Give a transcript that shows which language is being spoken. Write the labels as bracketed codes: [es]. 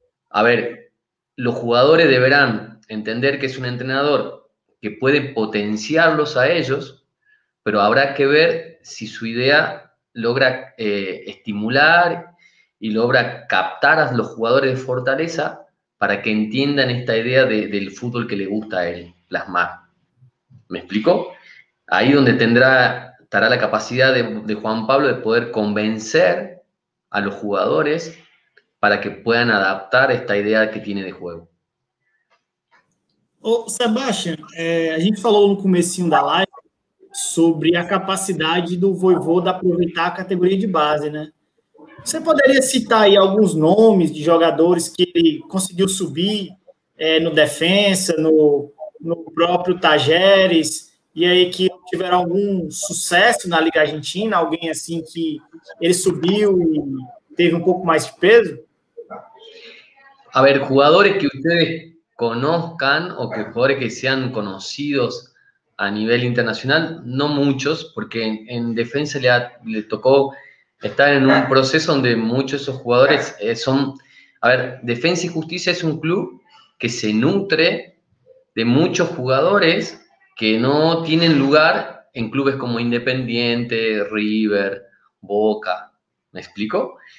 [es] A ver, los jugadores deberán entender que es un entrenador que puede potenciarlos a ellos, pero habrá que ver si su idea logra estimular y logra captar a los jugadores de fortaleza para que entiendan esta idea del fútbol que le gusta a él plasmar. ¿Me explico? Ahí donde estará la capacidad de Juan Pablo de poder convencer a los jugadores para que puedan adaptar esta idea que tiene de juego. [pt] Ô, Sebastian, a gente falou no comecinho da live sobre a capacidade do Vojvoda aproveitar a categoria de base, né? Você poderia citar aí alguns nomes de jogadores que ele conseguiu subir no Defensa, no próprio Tajeres, e aí que tiveram algum sucesso na Liga Argentina, alguém assim que ele subiu e teve um pouco mais de peso? [es] A ver, [pt] jogadores que você... [es] conozcan o que jugadores que sean conocidos a nivel internacional, no muchos, porque en Defensa le tocó estar en un proceso donde muchos de esos jugadores son... A ver, Defensa y Justicia es un club que se nutre de muchos jugadores que no tienen lugar en clubes como Independiente, River, Boca, ¿me explico?